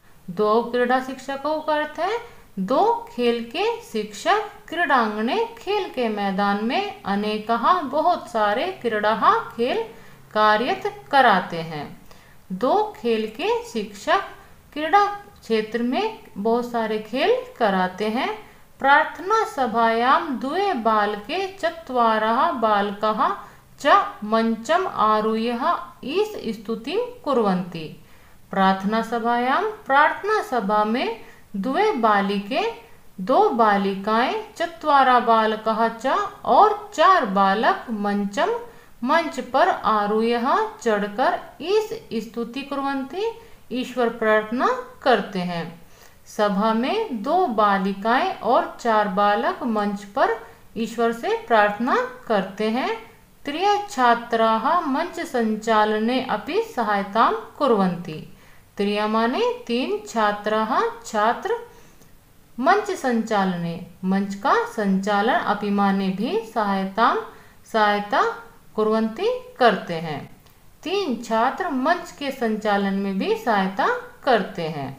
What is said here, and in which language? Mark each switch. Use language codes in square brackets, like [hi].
[hi] द्वो क्रीडा शिक्षकौ का अर्थ है दो खेल के शिक्षक, क्रीडांगणे खेल के मैदान में, अनेका बहुत सारे, क्रीडाः खेल कार्यत कराते हैं। दो खेल के शिक्षक क्रीड़ा क्षेत्र में बहुत सारे खेल कराते हैं। [sa] प्रार्थना सभायां द्वे बालके चत्वारः बालकः च मंचम आरुह्य इस स्तुति कुर्वन्ति। [hi] प्रार्थना सभायां, प्रार्थना सभा में द्वे बालिके, दो बालिकाएं, चत्वारः बालकः च और चार बालक मंचम, मंच पर आरुह्य चढ़कर इस स्तुति कुर्वन्ति, ईश्वर प्रार्थना करते हैं। सभा में दो बालिकाएं और चार बालक मंच पर ईश्वर से प्रार्थना करते हैं। [sa] त्रय छात्राः मंच संचालने अपि सहायतां कुर्वन्ति। [hi] त्रय माने तीन, छात्राः छात्र, मंच संचालने मंच का संचालन, अपि माने भी सहायतां सहायता कुर्वन्ति करते हैं। तीन छात्र मंच के संचालन में भी सहायता करते हैं।